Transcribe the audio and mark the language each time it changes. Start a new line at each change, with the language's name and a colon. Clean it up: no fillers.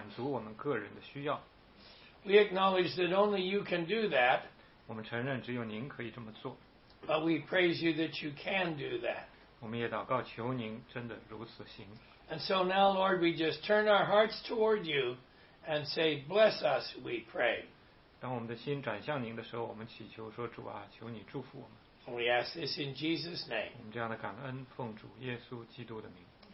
Chinese: 求您的话呢，进到我们每一个人单独的我们里面的心里，也满足我们个人的需要。We
English: acknowledge that only you can do that.
Chinese: 我们承认只有您可以这么做。But
English: we praise you that you can do that.
Chinese: 我们也祷告求您真的如此行。And
English: so now, Lord, we just turn our hearts toward you and say, "Bless us," we pray.
Chinese: 当我们的心转向您的时候，我们祈求说：“主啊，求你祝福我们。”
English: We ask this in Jesus' name.
Chinese: 我们这样的感恩，奉主耶稣基督的名。